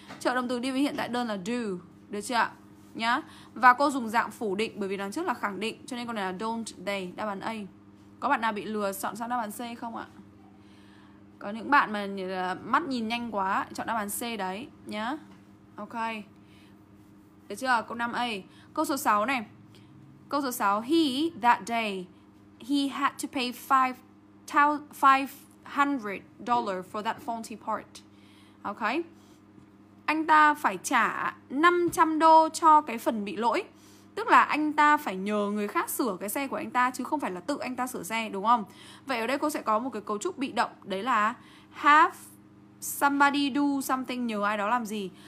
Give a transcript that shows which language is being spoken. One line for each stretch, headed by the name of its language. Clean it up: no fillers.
Vietnamese: Trợ động từ đi với hiện tại đơn là do, được chưa? Nhá. Và cô dùng dạng phủ định bởi vì đằng trước là khẳng định, cho nên con này là
English: don't they,
Vietnamese: đáp án A. Có bạn nào bị lừa chọn sang đáp án C không ạ? Có những bạn mà mắt nhìn nhanh quá chọn đáp án C đấy nhá. Ok, được chưa? Câu 5A. Câu số 6 này. Câu số 6,
English: he that day he had to pay $500 for that faulty part.
Vietnamese: Ok, anh ta phải trả $500 cho cái phần bị lỗi. Tức là anh ta phải nhờ người khác sửa cái xe của anh ta, chứ không phải là tự anh ta sửa xe, đúng không? Vậy ở đây cô sẽ có một cái cấu trúc bị động, đấy là
English: have somebody do something,
Vietnamese: nhờ ai đó làm gì.